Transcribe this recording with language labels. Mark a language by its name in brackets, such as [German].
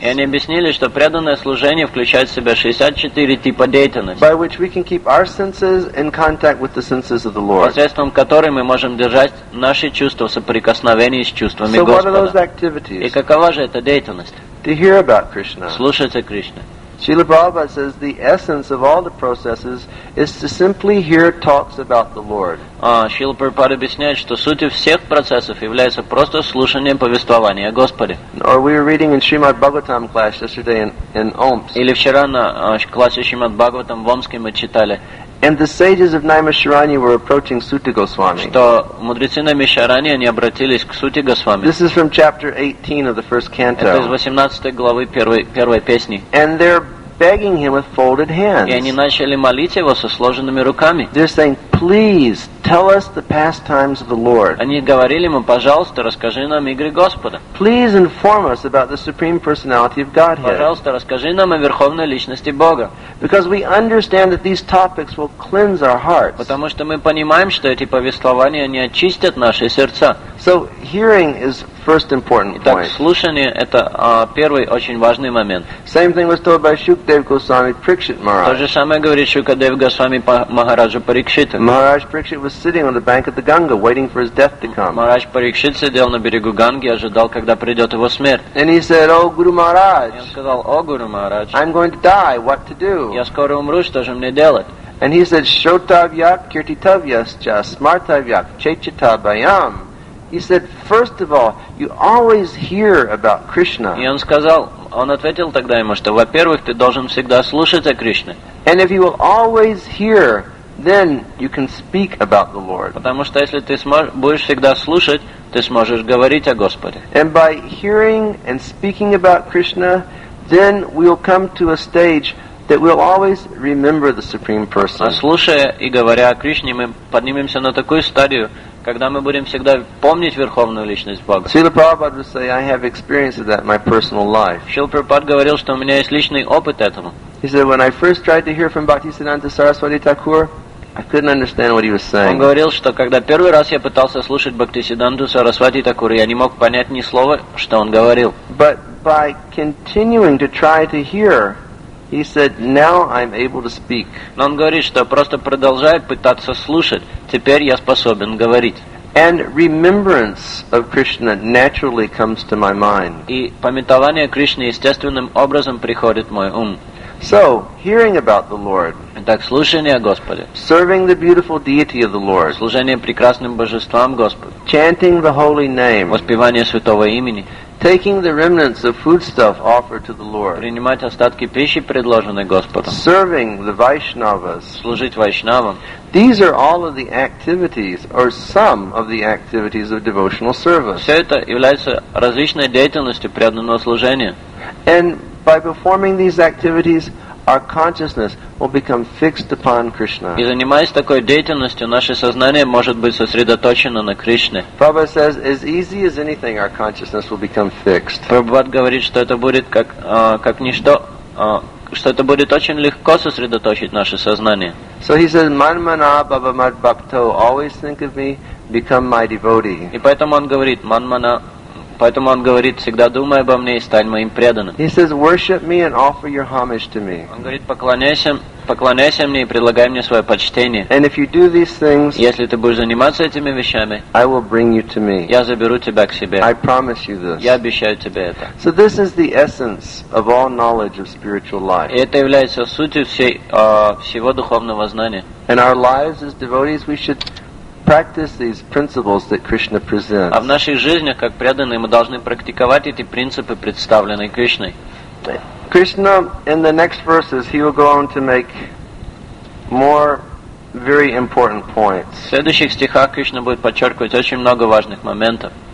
[Russian] И они объяснили, что преданное служение включает в себя 64 типа деятельности. [English] By which we can keep our senses in contact with the senses of the Lord. [Russian] Посредством которой мы можем держать наши чувства в соприкосновении с чувствами so Господа. [English] What are those activities? [Russian] И какова же эта деятельность? [English] To hear about Krishna. [Russian] Слушать о Кришне. [English] Srila Prabhupada says the essence of all the processes is to simply hear talks about the Lord. [Russian] Srila Prabhupada объясняет, что суть всех процессов является просто слушанием повествования о Господе. [English] Or we were reading in Srimad Bhagavatam class yesterday in Omsk. [Russian] Или вчера на классе Srimad Bhagavatam в Омске мы читали. [English] And the sages of Naimisharani were approaching Suta Goswami. [Russian] Что мудрецы Наймишарани, они обратились к Сути Госвами. [English] This is from chapter 18 of the first canto. [Russian] Это из 18 главы первой песни. [English] And they're begging him with folded hands. [Russian] И они начали молить его со сложенными руками. [English] They're saying, please tell us the pastimes of the Lord. [Russian] Они говорили ему: пожалуйста, расскажи нам игры Господа. [English] Please inform us about the supreme personality of Godhead. [Russian] Пожалуйста, расскажи нам о верховной личности Бога. [English] Because we understand that these topics will cleanse our hearts. [Russian] Потому что мы понимаем, что эти повествования не очистят наши сердца. [English] So hearing is first important point. [Russian] Итак, слушание это первый очень важный момент. [English] Same thing was told by Shukdev Goswami Parikshit Maharaj. [Russian] То же самое говорит Шукадев Госвами Махараджу Парикшита. [English] Maharaj Parikshit was sitting on the bank of the Ganga waiting for his death to come. [Russian] Maharaj Parikshit сидел на берегу Ганги, ожидал, когда придёт его смерть. [English] And he said, "Oh Guru Maharaj." [Russian] Он сказал: "О Гуру Махарадж." [English] "I'm going to die. What to do?" [Russian] Я скоро умру, что же мне делать? [Sanskrit] And he said, "Shrotavyak kirtitavyascha smartavyak chechitabayam." [English] He said, first of all, you always hear about Krishna. [Russian] И он сказал, он ответил тогда ему, что, во-первых, ты должен всегда слушать о Кришне. [English] And if you will always hear, then you can speak about the Lord. [Russian] Потому что если ты будешь всегда слушать, ты сможешь говорить о Господе. [English] And by hearing and speaking about Krishna, then we'll come to a stage that we'll always remember the Supreme Person. [Russian] Слушая и говоря о Кришне, мы поднимемся на такую стадию, когда мы будем всегда помнить Верховную Личность Бога. [English] Srila Prabhupada would say, I have experienced that in my personal life. [Russian] Srila Prabhupada говорил, что у меня есть личный опыт этому. [English] He said, when I first tried to hear from Bhaktisiddhanta Saraswati Thakur, I couldn't understand what he was saying. [Russian] Он говорил, что когда первый раз я пытался слушать Бхактисиддханту Сарасвати Такура, я не мог понять ни слова, что он говорил. [English] But by continuing to try to hear, he said, now I'm able to speak. [Russian] Но он говорит, что просто продолжая пытаться слушать, теперь я способен говорить. [English] And remembrance of Krishna naturally comes to my mind. [Russian] И памятование Кришны естественным образом приходит в мой ум. [English] So, hearing about the Lord. [Russian] Итак, слушание о Господе. [English] Serving the beautiful deity of the Lord. [Russian] Служение прекрасным божествам Господа. [English] Chanting the holy name. [Russian] Воспевание святого имени. [English] Taking the remnants of foodstuff offered to the Lord. [Russian] Принимать остатки пищи, предложенной Господом. [English] Serving the Vaishnavas. [Russian] Служить Вайшнавам. [English] These are all of the activities, or some of the activities of devotional service. [Russian] Все это является различной деятельностью преданного служения. [English] And by performing these activities, our consciousness will become fixed upon Krishna. [Russian] И занимаясь такой деятельностью, наше сознание может быть сосредоточено на Кришне. [English] Prabhupada says, as easy as anything, our consciousness will become fixed. [Russian] Prabhupada говорит, что это будет как ничто, что это будет очень легко сосредоточить наше сознание. [English] So he says, [Sanskrit] manmana babamad bhakto, [English] always think of me, become my devotee. [Russian] И поэтому он говорит, манмана. Поэтому он говорит, всегда думай обо мне и стань моим преданным. [English] He says, worship me and offer your homage to me. [Russian] Он говорит, поклоняйся мне и предлагай мне свое почтение. [English] And if you do these things, [Russian] если ты будешь заниматься этими вещами, [English] I will bring you to me. [Russian] Я заберу тебя к себе. [English] I promise you this. [Russian] Я обещаю тебе это. [English] So this is the essence of all knowledge of spiritual life. [Russian] И это является сутью всего духовного знания. [English] And our lives as devotees, we should practice these principles that Krishna presents. [Russian] А в наших жизнях, как преданные, мы должны практиковать эти принципы, представленные Кришной. [English] Krishna, in the next verses, he will go on to make more very important points. [Russian] В следующих стихах Кришна будет подчеркивать очень много важных моментов.